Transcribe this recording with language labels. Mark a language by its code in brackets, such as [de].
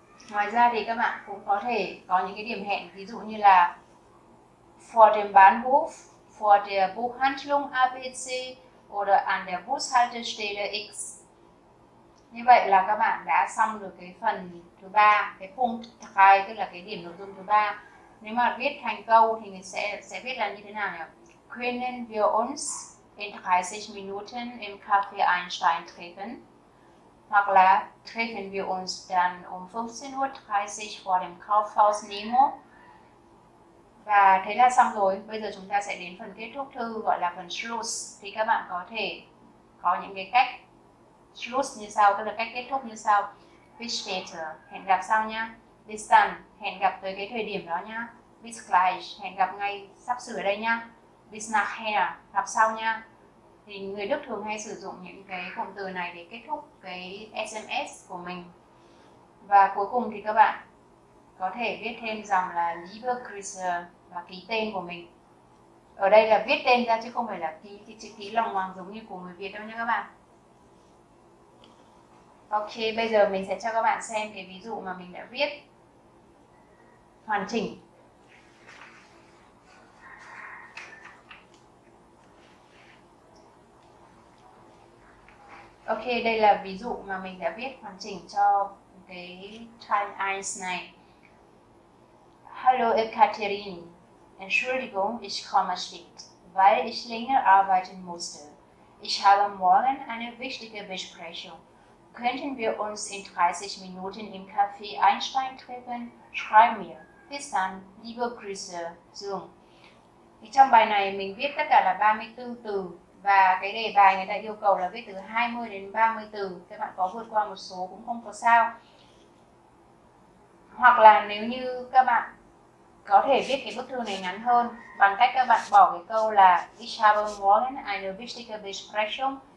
[vi] Ngoài ra thì các bạn cũng có thể có những cái điểm hẹn, ví dụ như là [de] vor dem Bahnhof, vor der Buchhandlung ABC oder an der Bushaltestelle X. [vi] Như vậy là các bạn đã xong được cái phần thứ ba, cái Punkt 3, tức là cái điểm nội dung thứ ba. Nếu mà viết thành câu thì mình sẽ viết là như thế nào nhỉ? [de] Können wir uns in 30 Minuten im Café Einstein treffen? [vi] hoặc là [de] treffen wir uns dann um 15:30 Uhr vor dem Kaufhaus Nemo. [vi] Và thế là xong rồi, bây giờ chúng ta sẽ đến phần kết thúc thư, gọi là phần Schluss. Thì các bạn có thể có những cái cách Schluss như sau, tức là cách kết thúc như sau. [de] Bis später, [vi] hẹn gặp sau nha. [de] Bis dann, [vi] hẹn gặp tới cái thời điểm đó nha. [de] Bis gleich, [vi] hẹn gặp ngay sắp sửa đây nha. [de] Bis nachher, [vi] gặp sau nha. Thì người Đức thường hay sử dụng những cái cụm từ này để kết thúc cái SMS của mình. Và cuối cùng thì các bạn có thể viết thêm dòng là [de] Liebe Grüße [vi] và ký tên của mình. Ở đây là viết tên ra chứ không phải là ký cái chữ ký lòng hoàng giống như của người Việt đâu nha các bạn. Ok, bây giờ mình sẽ cho các bạn xem cái ví dụ mà mình đã viết hoàn chỉnh. Ok, đây là ví dụ mà mình đã viết hoàn chỉnh cho cái time ice này. [de] Hallo Ekaterin, Entschuldigung, ich komme spät, weil ich länger arbeiten musste. Ich habe morgen eine wichtige Besprechung. Könnten wir uns in 30 Minuten im Café Einstein treffen? Schreib mir. Bis dann, liebe Grüße, Dương. [vi] Thì trong bài này mình viết tất cả là 34 từ và cái đề bài người ta yêu cầu là viết từ 20 đến 30 từ. Các bạn có vượt qua một số cũng không có sao. Hoặc là nếu như các bạn có thể viết cái bức thư này ngắn hơn bằng cách các bạn bỏ cái câu là [de] Ich habe morgen eine wichtige Besprechung.